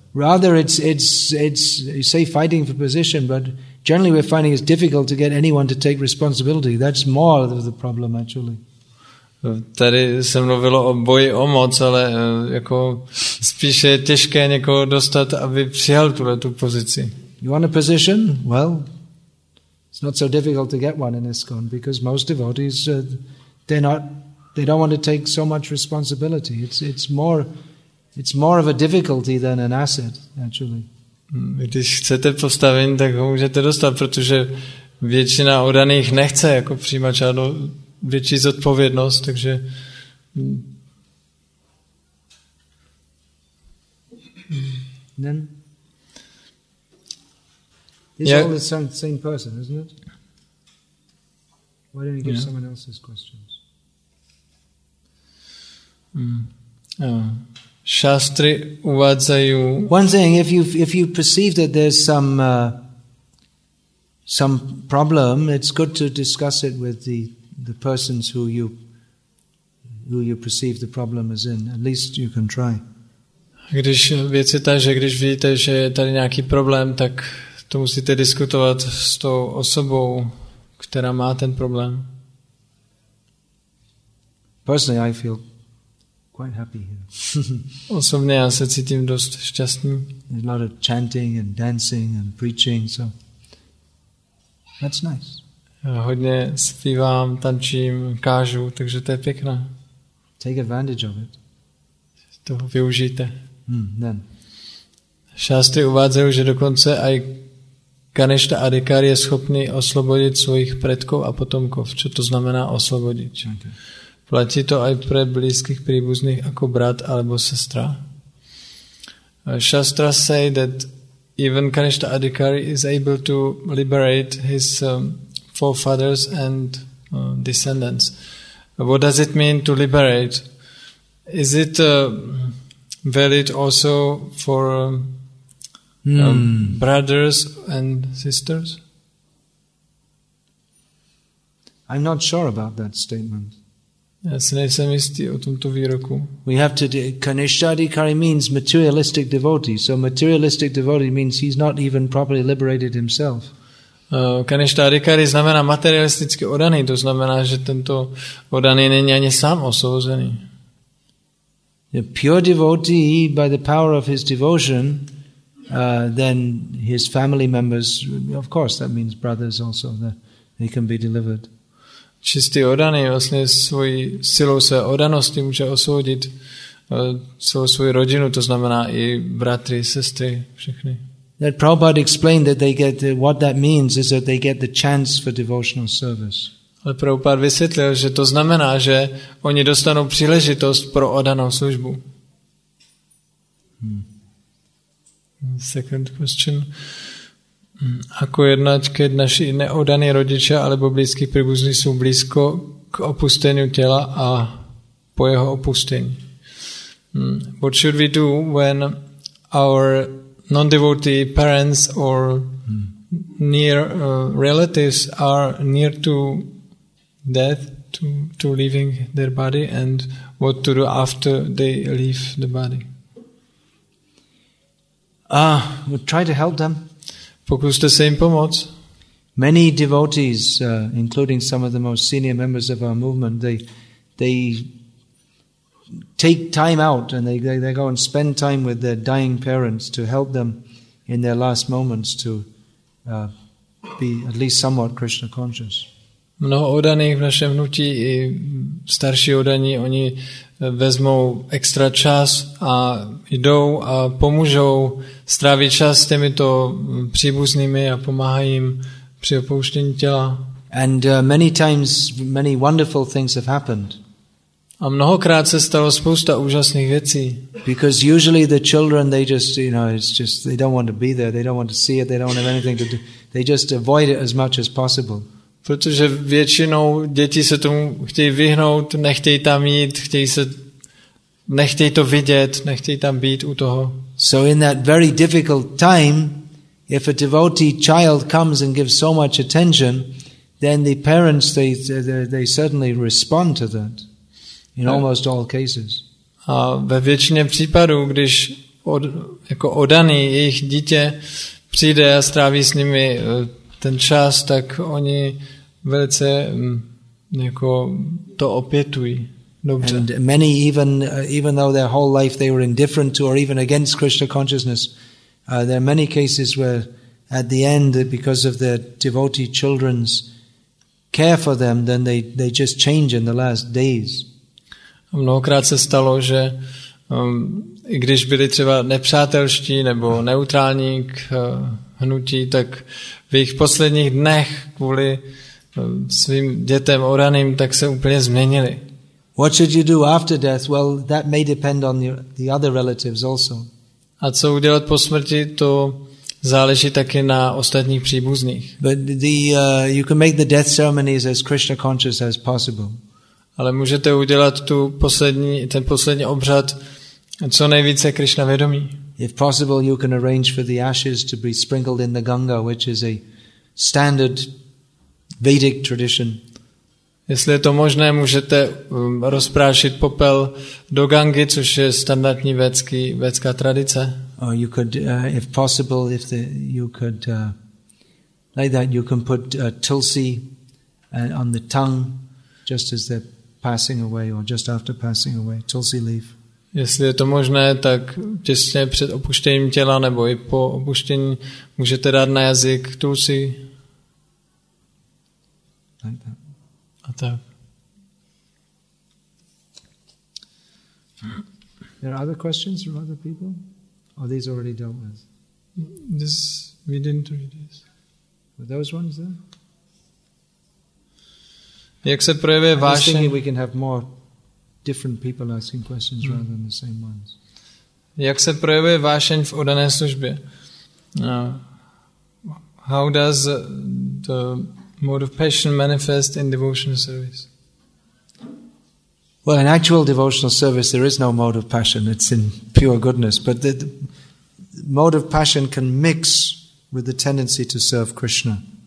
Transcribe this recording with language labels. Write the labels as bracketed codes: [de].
[en] Rather, it's you say fighting for position, but generally we're finding it's difficult to get anyone to take responsibility. That's more of the problem, actually. [cs] Tady se mluvilo o boji o moc, ale jako spíše je těžké někoho dostat, aby přijal tuhle tu pozici. [en] You want a position? Well, it's not so difficult to get one in ISKCON because most devotees they don't want to take so much responsibility. It's more of a difficulty than an asset, actually. [cs] Když chcete postavení, tak ho můžete dostat, protože většina oddaných nechce jako přijímat žádnou větší zodpovědnost, takže [en] then is yeah. All the same person, isn't it? Why don't you give someone else's questions? [sk] Shastri uvádzají. [en] One thing, if you perceive that there's some some problem, it's good to discuss it with the persons who you perceive the problem as in. At least you can try. [cs] Když věc je ta, že když vidíte, že je tady nějaký problém, tak to musíte diskutovat s tou osobou, která má ten problém. [en] Personally, I feel quite happy here. [cs] Osobně já se cítím dost šťastný. [en] There's a lot of chanting and dancing and preaching, so that's nice. [cs] Já hodně zpívám, tančím, kážu, takže to je pěkné. [en] Take advantage of it. [cs] To využijte. [en] Then. [sk] Šástry uvádzají, že dokonce aj Ganešta Adhikar je schopný oslobodit svojich predkov a potomkov. Čo to znamená oslobodit? [en] Okay. [sk] Platí to aj pre blízkych príbuzných ako brat alebo sestra? [en] Shastra say that even Ganeshta Adhikari is able to liberate his forefathers and descendants. What does it mean to liberate? Is it valid also for brothers and sisters? I'm not sure about that statement. [cs] Já si nejsem jistý o tomto výroku. [en] We have to Kanishtha Adhikari means materialistic devotee. So materialistic devotee means he's not even properly liberated himself. [cs] Kanishtha Adhikari znamená materialisticky oddaný, to znamená, že tento oddaný není ani sám osvobozený. [en] A pure devotee by the power of his devotion then his family members, of course that means brothers also, that they can be delivered. [cs] Čistý oddaný vlastně svojí silou své oddanosti může osvobodit celou svou rodinu, to znamená i bratry, sestry, všechny. [en] That Prabhupada explained that they get what that means is that they get the chance for devotional service. [cs] Ale Prabhupada vysvětlil, že to znamená, že oni dostanou příležitost pro oddanou službu. [en] Second question. [sk] Ako jednať, keď naši neodaní rodiče alebo blízky príbuzní sú blízko k opusteniu tela a po jeho opustení? [en] What should we do when our non-devotee parents or near relatives are near to death, to leaving their body, and what to do after they leave the body? We'll try to help them. [cs] Pokuste se jim pomoct. [en] Many devotees, including some of the most senior members of our movement, they take time out and they go and spend time with their dying parents to help them in their last moments to be at least somewhat Krishna conscious. [cs] Mnoho oddaných v našem hnutí i starší oddaní, oni vezmou extra čas a jdou a pomůžou strávit čas s těmito příbuznými a pomáhají jim při opouštění těla. [en] And many times many wonderful things have happened. [cs] A mnohokrát se stalo spousta úžasných věcí. [en] Because usually the children, they just, you know, it's just, they don't want to be there, they don't want to see it, they don't have anything to do. They just avoid it as much as possible. [cs] Protože většinou děti se tomu chtějí vyhnout, nechtějí tam jít, nechtějí to vidět, nechtějí tam být u toho. [en] So in that very difficult time, if a devotee child comes and gives so much attention, then the parents, they certainly respond to that in almost all cases. [cs] A ve většině případů, když jako oddaný jejich dítě přijde a stráví s nimi ten čas, tak oni velice jako to opětují. Dobře. [en] And many even though their whole life they were indifferent to or even against Krishna consciousness, there are many cases where at the end, because of their devotee children's care for them, then they just change in the last days. [cs] Mnohokrát se stalo, že i když byli třeba nepřátelští nebo neutrální k hnutí, tak v jejich posledních dnech kvůli svým dětem oraným, tak se úplně změnili. [en] What should you do after death? Well, that may depend on the other relatives also. [cs] A co udělat po smrti, to záleží taky na ostatních příbuzných. [en] But you can make the death ceremonies as Krishna conscious as possible. [cs] Ale můžete udělat ten poslední obřad co nejvíce Krishna vědomí. [en] If possible, you can arrange for the ashes to be sprinkled in the Ganga, which is a standard Vedic tradition. [cs] Jestli je to možné, můžete rozprášit popel do Gangy, což je standardní védská tradice. [en] Or you could, if possible, if the, you could, like that, you can put tulsi on the tongue, just as they're passing away, or just after passing away, tulsi leaf. [cs] Jestli je to možné, tak těsně před opuštěním těla nebo i po opuštění můžete dát na jazyk tulsi. [en] Like that. [cs] A tak. [en] There are other questions from other people? Or these already dealt with? This, we didn't read this. Were those ones there? [cs] Jak se projevuje vášeň? [en] I was thinking we can have more different people asking questions rather than the same ones. [cs] Jak se projevuje vášeň v oddané službě? [en] How does the mode of passion manifest in devotional service? Well, in actual devotional service there is no mode of passion, it's in pure goodness, but the mode of passion can mix with the tendency to serve Krishna.